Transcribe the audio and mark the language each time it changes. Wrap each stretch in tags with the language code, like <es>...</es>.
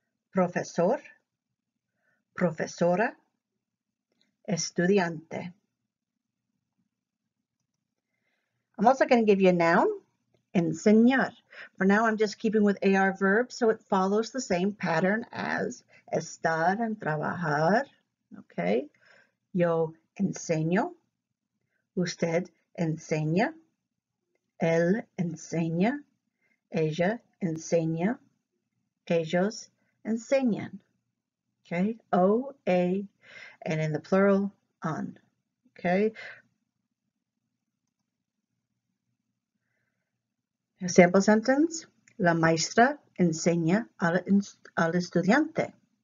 <es>Profesor, profesora, estudiante.</es> <en>I'm also going to give you a noun, enseñar. For now, I'm just keeping with AR verbs, so it follows the same pattern as estar and trabajar.</en> <es>Okay, yo enseño, usted enseña, él enseña, ella enseña, ellos enseñan.</es> <en>Okay, O, A, and in the plural, on. Okay. A sample sentence.</en> <es>La maestra enseña al estudiante.</es>